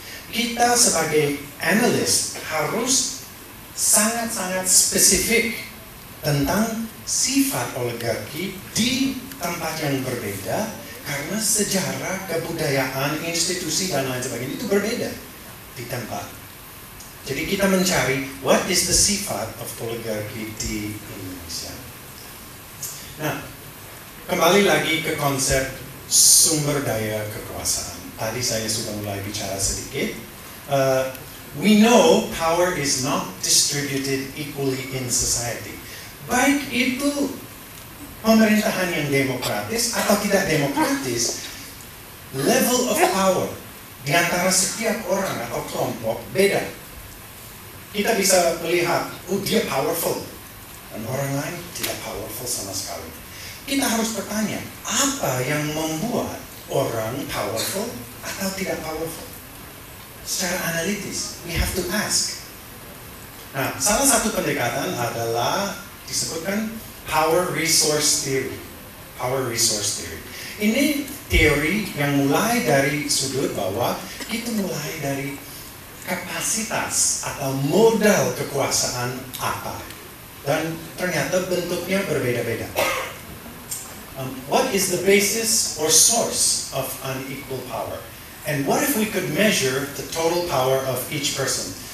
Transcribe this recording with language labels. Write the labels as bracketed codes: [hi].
[id] Kita sebagai analis harus sangat-sangat spesifik tentang sifat oligarki di tempat yang berbeda karena sejarah, kebudayaan, institusi, dan lain sebagainya itu berbeda di tempat. Jadi kita mencari [en] what is the [id] sifat [en] of [id] oligarki di Indonesia. Nah, kembali lagi ke konsep sumber daya kekuasaan. Tadi saya sudah mulai bicara sedikit. [en] We know power is not distributed equally in society. [id] Baik itu pemerintahan yang demokratis atau tidak demokratis, [en] level of power [id] di antara setiap orang atau kelompok beda. Kita bisa melihat, oh dia powerful, dan orang lain tidak powerful sama sekali. Kita harus bertanya, apa yang membuat orang powerful atau tidak powerful? Secara analitis, [en] we have to ask. [id] Nah, salah satu pendekatan adalah disebutkan power resource theory. Power resource theory. Ini teori yang mulai dari sudut bahwa itu mulai dari kapasitas atau modal kekuasaan apa. Dan ternyata bentuknya berbeda-beda. [en] What is the basis or source of unequal power? And what if we could measure the total power of each person?